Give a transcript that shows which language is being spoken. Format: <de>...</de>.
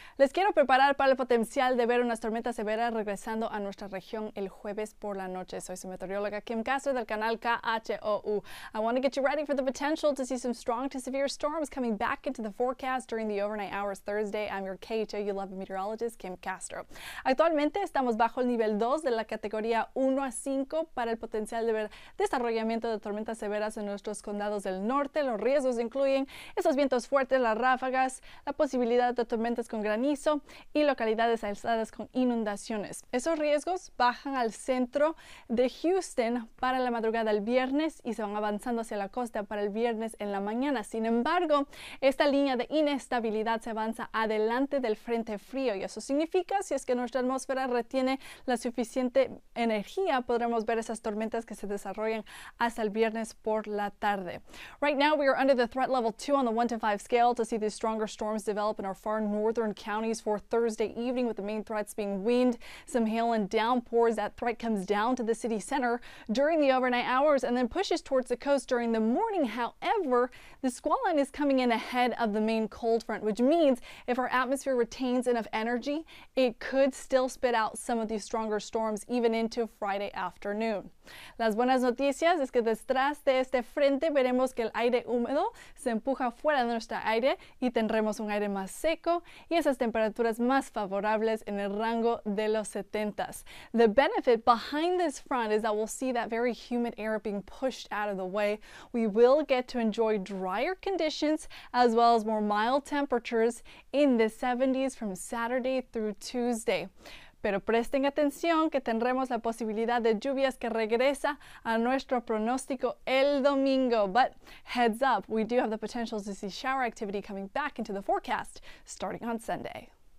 <es>Les quiero preparar para el potencial de ver unas tormentas severas regresando a nuestra región el jueves por la noche. Soy su meteoróloga Kim Castro del canal KHOU.</es> <en>I want to get you ready for the potential to see some strong to severe storms coming back into the forecast during the overnight hours Thursday. I'm your KHOU love meteorologist Kim Castro.</en> <es>Actualmente estamos bajo el nivel 2 de la categoría 1 a 5 para el potencial de ver desarrollamiento de tormentas severas en nuestros condados del norte. Los riesgos incluyen esos vientos fuertes, las ráfagas, la posibilidad de tormentas con granizo y localidades aisladas con inundaciones. Esos riesgos bajan al centro de Houston para la madrugada del viernes y se van avanzando hacia la costa para el viernes en la mañana. Sin embargo, esta línea de inestabilidad se avanza adelante del frente frío y eso significa, si es que nuestra atmósfera retiene la suficiente energía, podremos ver esas tormentas que se desarrollan hasta el viernes por la tarde.</es> <en>Right now, we are under the threat level 2 on the 1 to 5 scale to see these stronger storms develop in our far northern counties for Thursday evening, with the main threats being wind, some hail and downpours. That threat comes down to the city center during the overnight hours and then pushes towards the coast during the morning. However, the squall line is coming in ahead of the main cold front, which means if our atmosphere retains enough energy, it could still spit out some of these stronger storms even into Friday afternoon.</en> <es>Las buenas noticias es que detrás de este frente veremos que el aire húmedo se empuja fuera de nuestro aire y tendremos un aire más seco y esas temperaturas más favorables en el rango de los 70s.</es> <en>The benefit behind this front is that we'll see that very humid air being pushed out of the way. We will get to enjoy drier conditions as well as more mild temperatures in the 70s from Saturday through Tuesday.</en> <es>Pero presten atención que tendremos la posibilidad de lluvias que regresa a nuestro pronóstico el domingo.</es> <en>But heads up, we do have the potential to see shower activity coming back into the forecast starting on Sunday.</en>